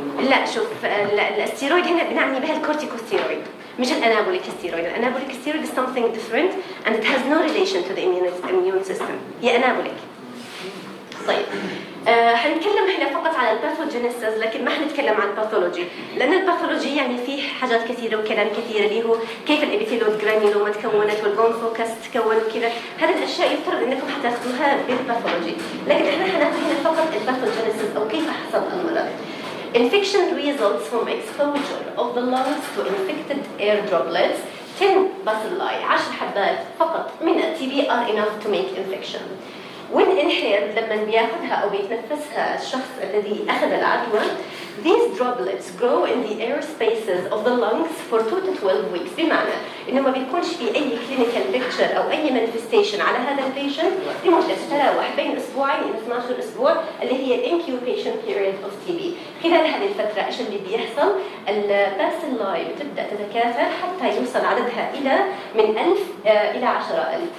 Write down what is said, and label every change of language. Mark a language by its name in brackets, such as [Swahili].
[Arabic] لا شوف، الاستيرويد هنا بنعني بها الكورتيكوستيرويد مش الانابوليك ستيرويد. [English] الانابوليك steroid is something different and it has no relation to the immune system. [Arabic] هي انابوليك. طيب هنتكلم هنا فقط على الباثوجينيسيس، لكن ما هنتكلم عن الباثولوجي، لان الباثولوجي يعني فيه حاجات كثيره وكلام كثير اللي هو كيف الابيثيلود جرانيولوما تكونت والبون فوكس تكون وكذا. هذه الاشياء يفترض انكم حتاخذوها بالباثولوجي، لكن احنا هناخذ هنا فقط الباثوجينيسيس او كيف حصل المرض. [English] Infection results from exposure of the lungs to infected air droplets 10 bacilli [Arabic] 10 حبات فقط من التي بي [English] are enough to make infection. [Arabic] وين انحيل لما بياخذها او بيتنفسها الشخص الذي اخذ العدوى [English] These droplets go in the air spaces of the lungs for 2 to 12 weeks. [Arabic] بمعنى إنه ما بيكونش في أي clinical picture أو أي manifestation على هذا patient لمدة تتراوح بين أسبوعين إلى 12 أسبوع اللي هي [English] incubation period of TB. [Arabic] خلال هذه الفترة إيش اللي بيحصل؟ الـ bacilli بتبدأ تتكاثر حتى يوصل عددها إلى من 1000 إلى 10000.